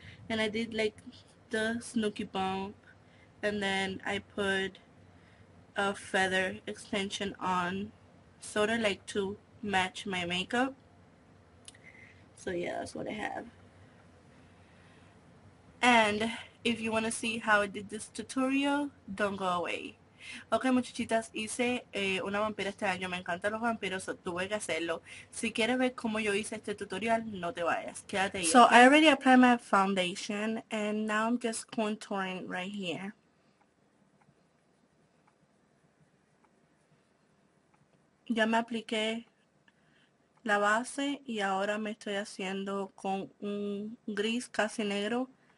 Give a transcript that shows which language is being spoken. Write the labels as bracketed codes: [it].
[en] And I did like the snooky bump, and then I put a feather extension on, sort of like to match my makeup. So yeah, that's what I have. And if you want to see how I did this tutorial, don't go away. [es] Ok, muchachitas, hice una vampira este año. Me encantan los vampiros, so tuve que hacerlo. Si quieres ver cómo yo hice este tutorial, no te vayas. [en] So I [es] Quédate [en] already applied my foundation and now I'm just contouring right here. [es] Ya me apliqué la base y ahora me estoy haciendo con un gris casi negro.